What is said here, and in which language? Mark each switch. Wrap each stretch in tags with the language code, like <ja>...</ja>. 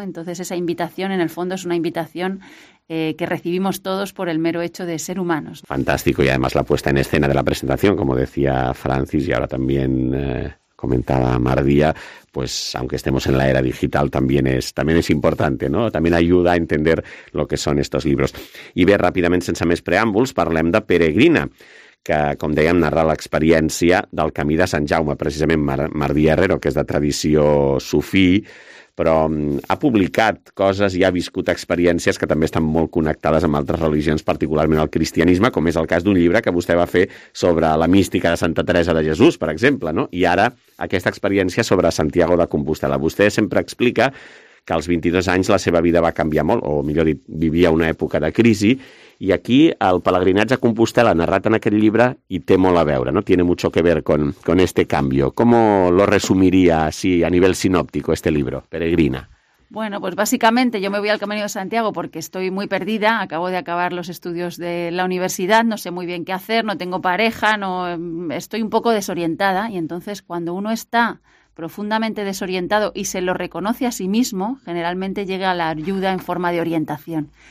<es>Entonces esa invitación, en el fondo, es una invitación que recibimos todos por el mero hecho de ser humanos. Fantástico, y además la puesta en escena de la presentación, como decía Francis, y ahora también comentaba Mardía, pues aunque estemos en la era digital, también es importante, ¿no? También ayuda a entender lo que son estos libros.</es> <ca>I bé, ràpidament, sense més preàmbuls, parlem de Peregrina, que, com dèiem, narra l'experiència del camí de Sant Jaume, precisament Mardía Herrero, que és de tradició sufí, però ha publicat coses i ha viscut experiències que també estan molt connectades amb altres religions, particularment el cristianisme, com és el cas d'un llibre que vostè va fer sobre la mística de Santa Teresa de Jesús, per exemple, no? I ara aquesta experiència sobre Santiago de Compostela. Vostè sempre explica que als 22 anys la seva vida va canviar molt, o millor dit, vivia una època de crisi, i aquí el pelegrinatge a Compostela, narrat en aquest llibre, hi té molt a veure, no?</ca> <es>Tiene mucho que ver con este cambio. ¿Cómo lo resumiría así a nivel sinóptico este libro, Peregrina? Bueno, pues básicamente yo me voy al Camino de Santiago porque estoy muy perdida, acabo de acabar los estudios de la universidad, no sé muy bien qué hacer, no tengo pareja, estoy un poco desorientada, y entonces cuando uno está profundamente desorientado y se lo reconoce a sí mismo, generalmente llega la ayuda en forma de orientación.</es>